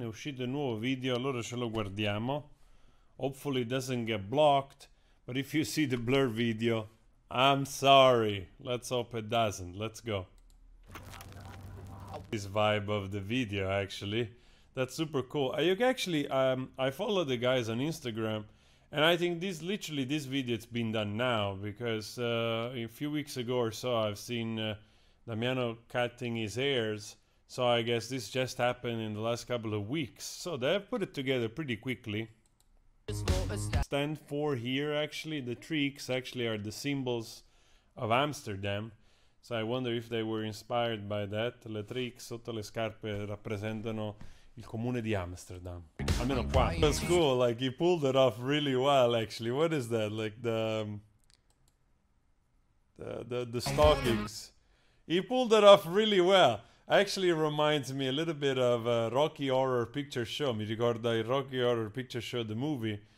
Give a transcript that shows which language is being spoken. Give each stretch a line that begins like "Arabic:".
Italian: È uscito un nuovo video, allora ce lo guardiamo.
English: Hopefully it doesn't get blocked, but if you see the blur video, I'm sorry. Let's hope it doesn't. Let's go. This vibe of the video, actually. That's super cool. I follow the guys on Instagram. And I think this, literally, this video has been done now, because a few weeks ago or so, I've seen Damiano cutting his hairs. So I guess this just happened in the last couple of weeks. So they have put it together pretty quickly. Stand for here, actually. The tricks actually are the symbols of Amsterdam. So I wonder if they were inspired by that.
Italian: Le tricks sotto le scarpe rappresentano il comune di Amsterdam.
English: I mean, that's cool, like, he pulled it off really well, actually. What is that? Like, the stockings. He pulled it off really well. Actually, it reminds me a little bit of Rocky Horror Picture Show.
Italian: Mi ricorda il Rocky Horror Picture Show,
English: the movie.